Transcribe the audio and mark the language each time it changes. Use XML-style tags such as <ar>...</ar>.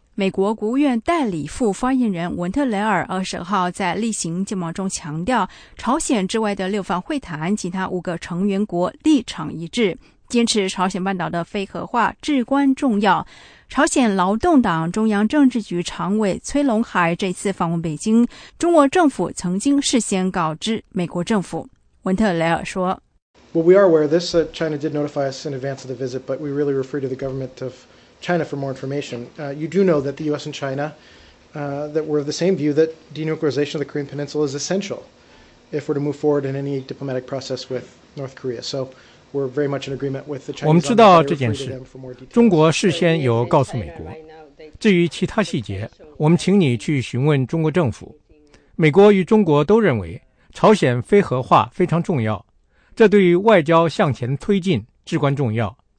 <zh>美国国务院代理副发言人文特雷尔20号在例行见报中强调，朝鲜之外的6方会谈其他5个成员国立场一致，坚持朝鲜半岛的非核化至关重要。朝鲜劳动党中央政治局常委崔龙海这次访问北京，中国政府曾经事先告知美国政府。文特雷尔说，</zh> <en>Well, we are aware of this. China did notify us in advance of the visit, but we really refer to the government of China for more information. You do know that the U.S. and China, that we're of the same view that denuclearization of the Korean Peninsula is essential if we're to move forward in any diplomatic process with North Korea. So,We're very much in agreement with the Chinese.</en> <zh>我们知道这件事，中国事先有告诉美国。至于其他细节，我们请你去询问中国政府。美国与中国都认为朝鲜非核化非常重要，这对于外交向前推进至关重要。</zh>